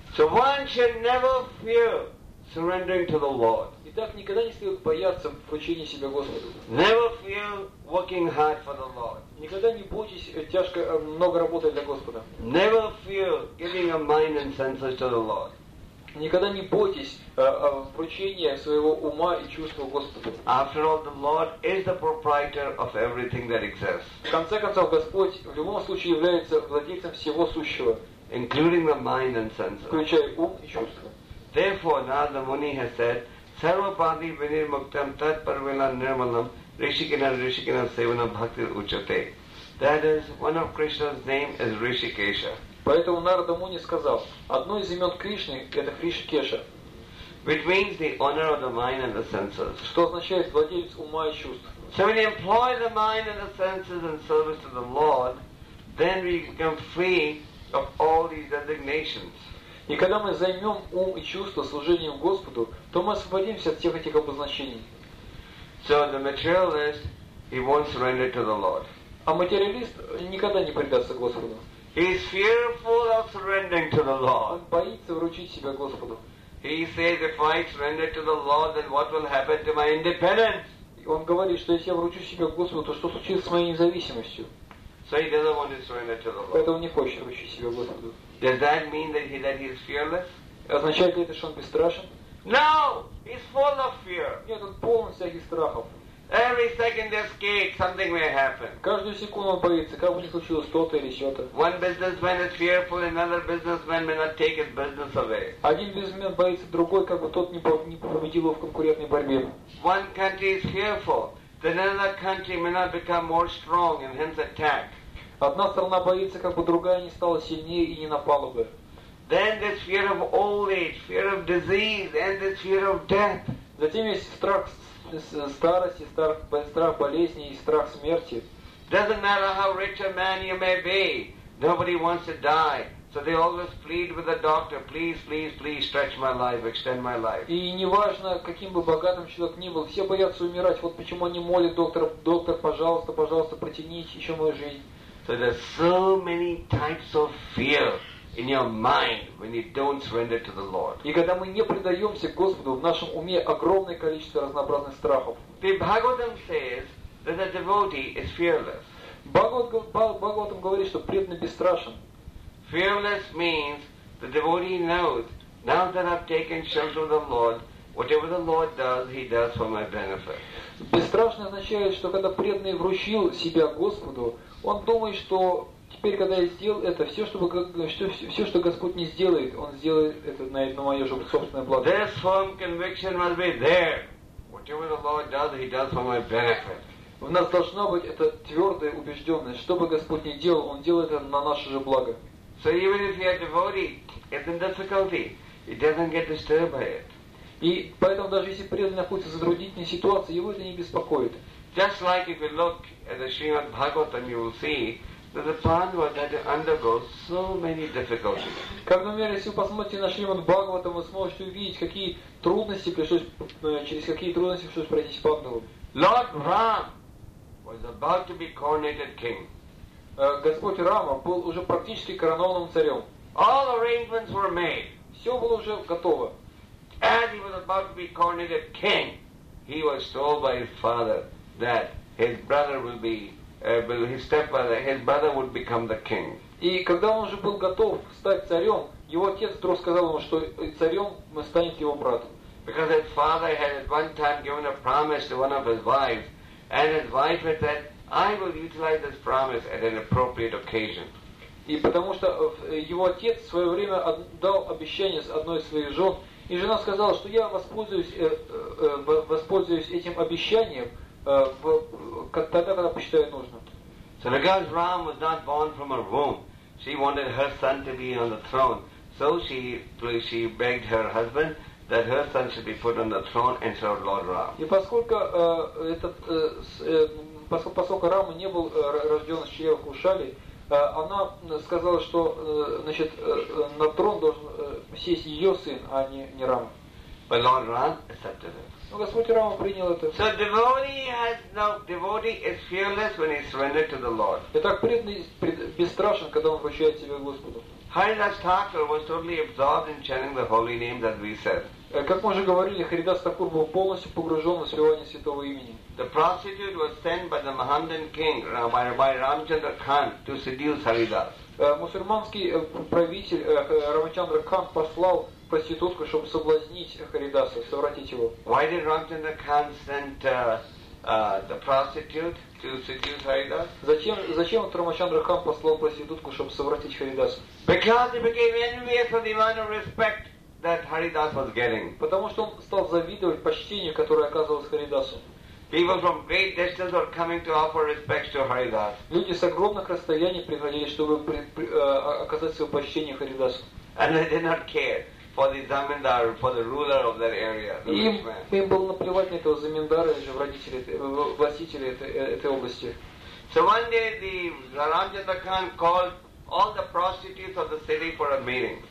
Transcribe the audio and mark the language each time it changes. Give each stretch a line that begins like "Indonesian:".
English: So one should never fear surrendering to the Lord.
Russian: Итак, никогда не следует бояться вручения себя Господу.
English: Never fear working hard for the Lord.
Russian: Никогда не бойтесь тяжко много работать для Господа.
English: Never fear giving your mind and senses to the Lord.
Russian: Никогда не бойтесь вручения своего ума и чувства Господу.
English: After all, the Lord is the proprietor of everything that exists.
Russian: В конце концов, Господь в любом случае является владельцем всего сущего,
English: including the mind and senses.
Russian: Включая ум и чувства.
English: Therefore, Narada Muni has said,
Sanskrit: "Sarvapadi vinir muktam tat parvila nirmalam Rishikena Rishikena sevana bhakti uchate."
English: That is, one of Krishna's name is Rishikesha.
Russian: Поэтому Нарада Муни сказал, одно из имен Кришны – это Хришикеша.
English: Which means the owner of the mind and the senses.
Russian: Что означает владелец ума и чувств.
English: So when you employ the mind and the senses in service to the Lord, then we become free of all these designations.
Russian: И когда мы займем ум и чувства служением Господу, то мы освободимся от всех этих обозначений.
English: So the materialist, he won't surrender to the Lord.
Russian: А материалист никогда не предастся Господу.
English: He is fearful of surrendering to the Lord.
Russian: Он боится вручить себя Господу.
English: He says, if I surrender to the Lord, then what will happen to my independence?
Russian: Он говорит, что если я вручу себя Господу, то что случится с моей независимостью?
English: So he doesn't want to surrender to the Lord.
Russian: Поэтому не хочет вручить себя Господу.
English: Does that mean that he is fearless?
Russian: Означает ли это, что он бесстрашен?
English: No, he's full of fear.
Russian: Нет, он полон всяких страхов.
English: Every second they escape, something may happen.
Russian: Каждую секунду он боится, как бы ни случилось то-то или что-то.
English: One businessman is fearful, another businessman may not take his business away.
Russian: Один бизнесмен боится другой, как бы тот не победил его в конкурентной борьбе.
English: One country is fearful, then another country may not become more strong and hence attack.
Russian: Одна страна боится, как бы другая не стала сильнее и не напала бы.
English: Then this fear of old age, fear of disease, and this fear of death.
Russian: Затем есть страх старости, страх болезни и страх смерти.
English: Doesn't matter how rich a man you may be, nobody wants to die, so they always plead with the doctor, please, please, please, stretch my life, extend my life.
Russian: И неважно, каким бы богатым человек ни был, все боятся умирать. Вот почему они молят доктора: доктор, пожалуйста, пожалуйста, протяните еще мою жизнь.
English: So there's so many types of fear in your mind when you don't surrender to the Lord.
Russian: И когда мы не предаемся Господу, в нашем уме огромное количество разнообразных страхов.
English: The Bhagavatam says that the devotee is fearless.
Russian: Бхагаватам говорит, что преданный бесстрашен.
English: Fearless means the devotee knows, now that I've taken shelter of the Lord, whatever the Lord does, he does for my benefit.
Russian: Бесстрашный означает, что когда преданный вручил себя Господу, он думает, что теперь, когда я сделал это, все, что Господь не сделает, Он сделает это на мое же собственное благо.
English: This firm conviction must be there. Whatever the Lord does, He does for my benefit.
Russian: У нас должна быть эта твердая убежденность. Что бы Господь ни делал, Он делает это на наше же благо.
English: So even if you are devotee, it's in difficulty. He doesn't get disturbed by it.
Russian: И поэтому даже если преданный находится в затруднительной ситуации, его это не беспокоит.
English: Just like if you look at the Srimad Bhagavatam, you will see that the Pandava had to undergo so many difficulties.
Russian: Когда мы если посмотрите на Шримад Бхагаватам, мы сможем увидеть, какие трудности пришлось через какие трудности пришлось пройти Пандаву.
English: Lord Ram was about to be coronated king.
Russian: Господь Рама был уже практически коронованным царем.
English: All arrangements were made.
Russian: Все было уже готово.
English: As he was about to be coronated king, he was told by his father that his brother will be his brother would become the king.
Russian: И когда он уже был готов стать царем, его отец вдруг сказал ему, что царем станет его брат.
English: Because his father had at one time given a promise to one of his wives, and his wife had said, "I will utilize this promise at an appropriate occasion."
Russian: И потому что его отец в свое время дал обещание с одной из своих жен, и жена сказала, что я воспользуюсь этим обещанием.
English: So because Ram was not born from her womb, she wanted her son to be on the throne. So she begged her husband that her son should be put on the throne and serve Lord Ram.
Russian: И поскольку Рама не был рожден с чрева Кушали, она сказала, что значит на трон должен сесть ее сын, а не Рама.
English: But Lord Ram accepted it.
Russian: Господь Рама принял это.
English: So devotee is fearless when he surrendered to the Lord.
Russian: Итак, преданный бесстрашен, когда он вручает себя Господу.
English: Haridas Thakur was totally absorbed in chanting the holy name that we said.
Russian: Как мы уже говорили, Харидас Такур был полностью погружен в свивание святого имени.
English: The prostitute was sent by the Mahandan king, by Ramchandra Khan, to seduce Haridas.
Russian: Мусульманский правитель Рамачандра Кан послал проститутку, чтобы соблазнить Харидаса, совратить его.
English: Why did Ramchandra Khan send the prostitute to seduce Haridas?
Russian: Зачем Рамачандра Кан послал проститутку, чтобы совратить Харидаса?
English: Because he became envious of the amount of respect that Haridas was getting.
Russian: Потому что он стал завидовать почтению, которое оказывалось Харидасу.
English: People from great distance were coming to offer respects to Haridas.
Russian: Люди с огромных расстояний приходили, чтобы оказать свое почтение Харидасу.
English: And they did not care for the zamindar, for the ruler of that area.
Russian: Им было наплевать на этого замендара или же властителя этой области.
English: So one day the Ramchandra Khan called all the prostitutes of the city for a meeting.